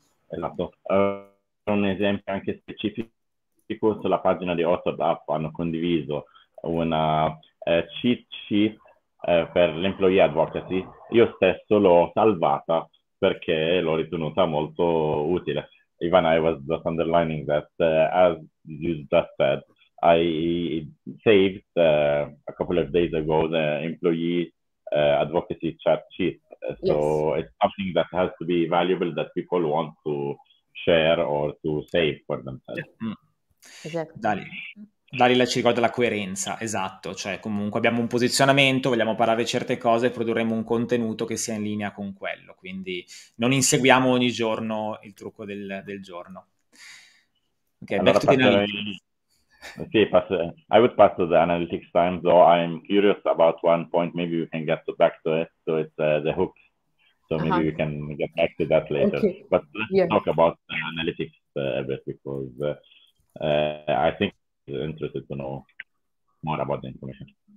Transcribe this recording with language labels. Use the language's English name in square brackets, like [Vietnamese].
[Italian] Esatto. Un esempio anche specifico. Sulla pagina di Authoredup hanno condiviso una cheat sheet per l'employee advocacy. Io stesso l'ho salvata perché l'ho ritenuta molto utile. [English] Ivan, I was just underlining that, as you just said, I saved a couple of days ago the employee advocacy chat sheet. So yes, it's something that has to be valuable that people want to share or to save for themselves. Mm. [Italian] Esatto. Dalila ci ricorda la coerenza, esatto, cioè comunque abbiamo un posizionamento, vogliamo parlare certe cose e produrremo un contenuto che sia in linea con quello, quindi non inseguiamo ogni giorno il trucco del giorno. Ok, [English] allora I would pass to the analytics time, though I'm curious about one point, maybe we can get back to it, so it's the hook, so maybe we can get back to that later, okay. But let's talk about the analytics a bit, because I think you're interested to know more about the information.